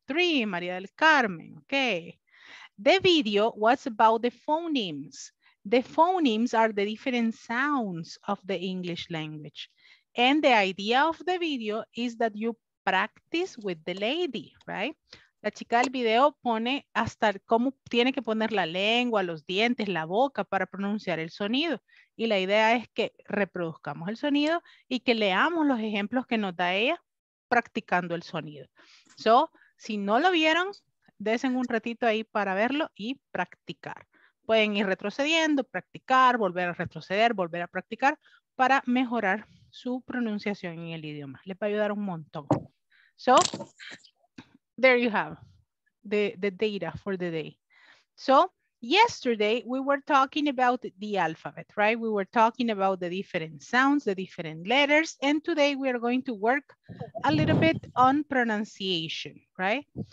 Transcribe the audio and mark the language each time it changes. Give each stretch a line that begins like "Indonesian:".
English: Three, María del Carmen. Okay. The video was about the phonemes. The phonemes are the different sounds of the English language. And the idea of the video is that you practice with the lady, right?
Spanish: La chica del video pone hasta cómo tiene que poner la lengua, los dientes, la boca para pronunciar el sonido. Y la idea es que reproduzcamos el sonido y que leamos los ejemplos que nos da ella practicando el sonido. So, si no lo vieron, desen un ratito ahí para verlo y practicar. Pueden ir retrocediendo, practicar, volver a retroceder, volver a practicar para mejorar su pronunciación en el idioma. Les va a ayudar un montón.
English: So, there you have the data for the day. So, yesterday we were talking about the alphabet, right? We were talking about the different sounds, the different letters, and today we are going to work a little bit on pronunciation, right?